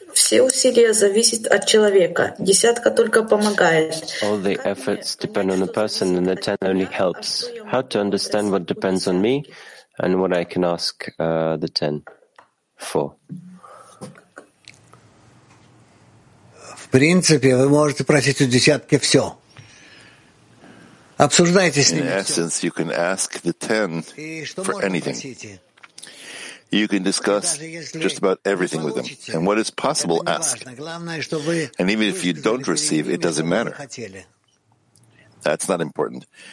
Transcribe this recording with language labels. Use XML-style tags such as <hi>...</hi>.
<ru>Все усилия зависят от человека. Десятка только помогает.</ru> <en>All the efforts depend on the person and the ten only helps. How to understand what depends on me and what I can ask the ten for?</en> <ru>В принципе, вы можете просить у десятки все. Обсуждайте с ними.</ru> <en>In essence, you can ask the ten for anything. You can discuss just about everything with them. And what is possible, ask. And even if you don't receive, it doesn't matter. That's not important.</en>